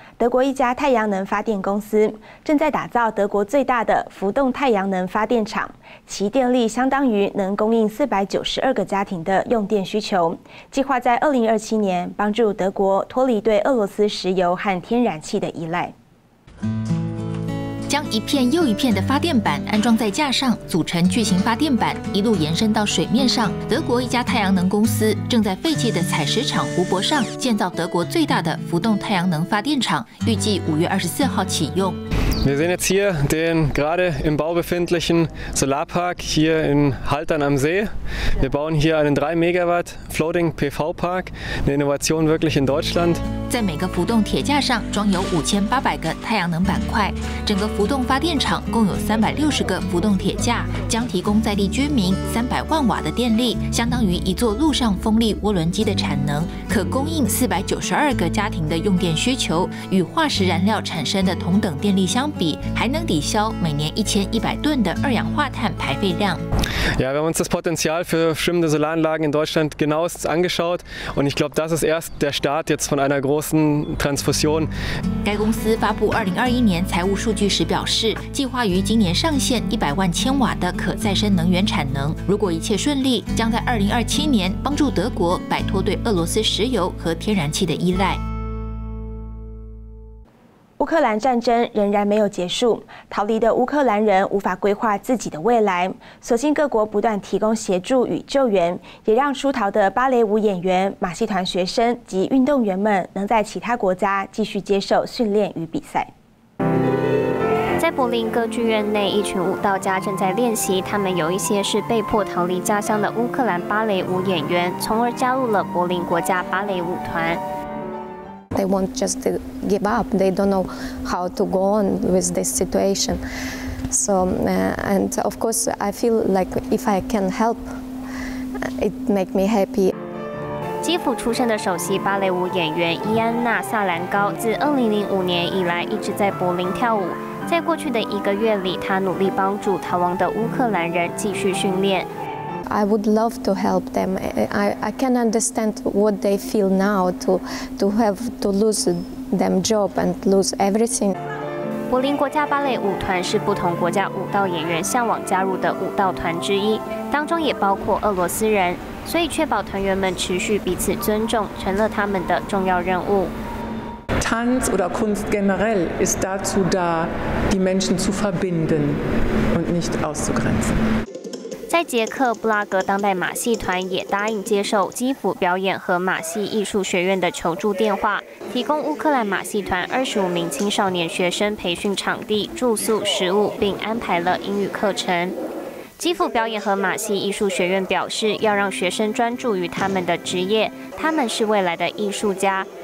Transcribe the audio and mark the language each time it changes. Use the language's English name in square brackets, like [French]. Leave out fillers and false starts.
[Chinese] 德国一家太阳能发电公司正在打造德国最大的浮动太阳能发电厂，其电力相当于能供应492个家庭的用电需求，计划在2027年帮助德国脱离对俄罗斯石油和天然气的依赖。将一片又一片的发电板安装在架上，组成巨型发电板，一路延伸到水面上。德国一家太阳能公司正在废弃的采石场湖泊上建造德国最大的浮动太阳能发电厂，预计5月24号启用。 [German] Wir sehen jetzt hier den gerade im Bau befindlichen Solarpark hier in Haltern am See. Wir bauen hier einen 3 Megawatt Floating PV Park, eine Innovation wirklich in Deutschland. [Chinese] 在每个浮动铁架上装有5800个太阳能板块，整个浮动发电厂共有360个浮动铁架，将提供在地居民300万瓦的电力，相当于一座陆上风力涡轮机的产能，可供应492个家庭的用电需求，与化石燃料产生的同等电力相比，还能抵消每年1100吨的二氧化碳排废量。 [German] Ja, wir haben uns das Potenzial für schwimmende Solaranlagen in Deutschland genauestens angeschaut, und ich glaube, das ist erst der Start jetzt von einer großen Transfusion. [Chinese] 该公司发布2021年财务数据时表示，计划于今年上线100万千瓦的可再生能源产能。如果一切顺利，将在2027年帮助德国摆脱对俄罗斯石油和天然气的依赖。乌克兰战争仍然没有结束，逃离的乌克兰人无法规划自己的未来，所幸各国不断提供协助与救援，也让出逃的芭蕾舞演员、马戏团学生及运动员们能在其他国家继续接受训练与比赛。在柏林歌剧院内，一群舞蹈家正在练习，他们有一些是被迫逃离家乡的乌克兰芭蕾舞演员，从而加入了柏林国家芭蕾舞团。 [English] They won't just give up. They don't know how to go on with this situation. So, and of course, I feel like if I can help, it makes me happy. [Chinese] 基辅出生的首席芭蕾舞演员伊安娜·萨兰高，自2005年以来一直在柏林跳舞。在过去的一个月里，她努力帮助逃亡的乌克兰人继续训练。 [English] I would love to help them. I can understand what they feel now to have to lose their job and lose everything. [Chinese] 柏林国家芭蕾舞团是不同国家舞蹈演员向往加入的舞蹈团之一，当中也包括俄罗斯人，所以确保团员们持续彼此尊重成了他们的重要任务。 [German] Tanz oder Kunst generell ist dazu da, die Menschen zu verbinden und nicht auszugrenzen. [Chinese] 在捷克布拉格当代马戏团也答应接受基辅表演和马戏艺术学院的求助电话，提供乌克兰马戏团25名青少年学生培训场地、住宿、食物，并安排了英语课程。基辅表演和马戏艺术学院表示，要让学生专注于他们的职业，他们是未来的艺术家。